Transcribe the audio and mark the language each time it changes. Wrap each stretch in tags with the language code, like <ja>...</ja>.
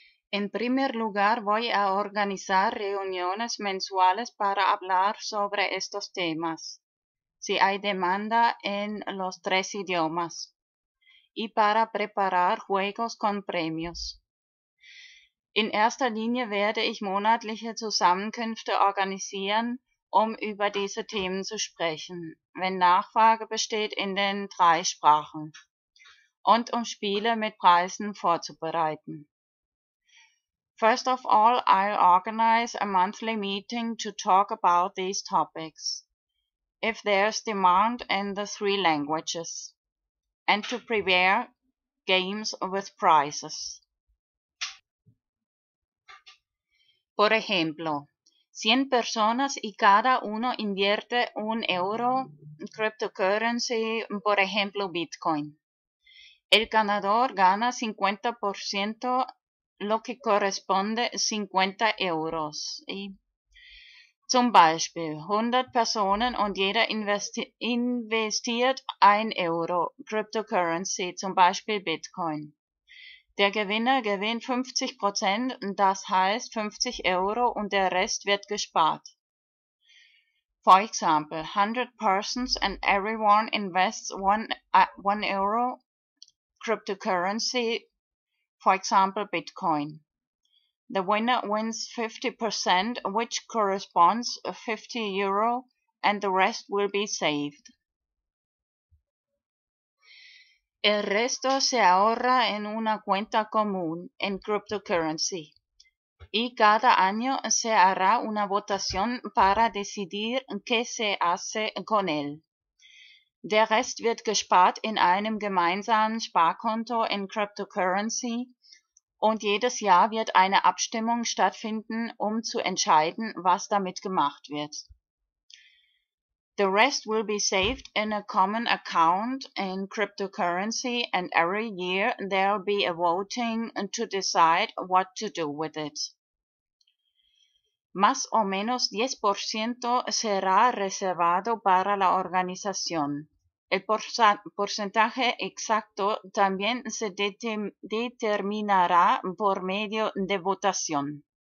<es>En primer lugar, voy a organizar reuniones mensuales para hablar sobre estos temas, si hay demanda en los tres idiomas, y para preparar juegos con premios.</es> <de>In erster Linie werde ich monatliche Zusammenkünfte organisieren, um über diese Themen zu sprechen, wenn Nachfrage besteht in den drei Sprachen, und um Spiele mit Preisen vorzubereiten.</de> <en>First of all, I'll organize a monthly meeting to talk about these topics, if there's demand in the three languages, and to prepare games with prizes.</en> <es>Por ejemplo, 100 personas y cada uno invierte un euro en cryptocurrency, por ejemplo Bitcoin. El ganador gana 50%, lo que corresponde 50 euros. Y</es> <de>Zum Beispiel 100 Personen und jeder investiert 1 Euro Cryptocurrency, zum Beispiel Bitcoin. Der Gewinner gewinnt 50%, das heißt 50 Euro, und der Rest wird gespart.</de> <en>For example, 100 persons and everyone invests one euro cryptocurrency, for example, Bitcoin. The winner wins 50%, which corresponds to 50 euro, and the rest will be saved.</en> <es>El resto se ahorra en una cuenta común en cryptocurrency. Y cada año se hará una votación para decidir qué se hace con él.</es> <de>Der Rest wird gespart in einem gemeinsamen Sparkonto in Cryptocurrency und jedes Jahr wird eine Abstimmung stattfinden, um zu entscheiden, was damit gemacht wird.</de> <en>The rest will be saved in a common account in cryptocurrency and every year there'll be a voting to decide what to do with it.</en> <es>Más o menos 10% será reservado para la organización. El porcentaje exacto también se determinará por medio de votación.</es>